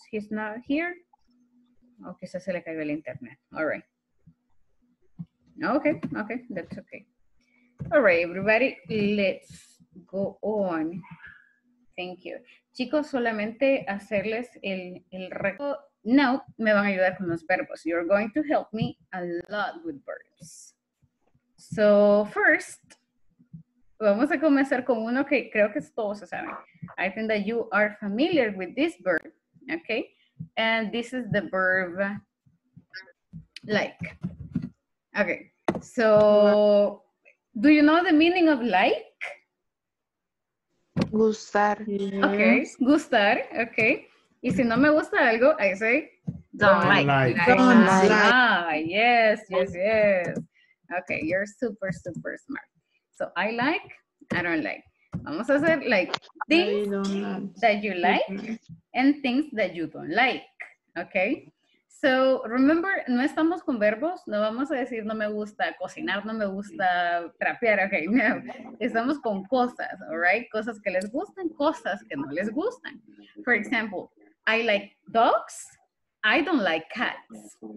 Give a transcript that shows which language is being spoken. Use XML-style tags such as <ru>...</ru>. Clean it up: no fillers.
<en>He's not here.</en> <es>O quizás se le cayó el internet.</es> <en>All right. Okay, okay, that's okay. All right, everybody, let's go on. Thank you.</en> <es>Chicos, solamente hacerles el reto. Now, me van a ayudar con los verbos.</es> <en>You're going to help me a lot with verbs. So, first,</en> <es>vamos a comenzar con uno que creo que todos saben.</es> <en>I think that you are familiar with this verb, okay? And this is the verb like. Okay, so, do you know the meaning of like?</en> <es>Gustar. Okay, gustar, okay. Y si no me gusta algo,</es> <en>I say, don't like. Ah, yes, yes, yes. Okay, you're super, super smart. So I like, I don't like.</en> <es>Vamos a hacer</es> <en>like things that you like and things that you don't like.</en> <es>Okay?</es> <en>So remember,</en> <es>no estamos con verbos. No vamos a decir no me gusta cocinar, no me gusta trapear. Okay, no. Estamos con cosas,</es> <en>all right?</en> <es>Cosas que les gustan, cosas que no les gustan.</es> <en>For example, I like dogs. I don't like cats.</en>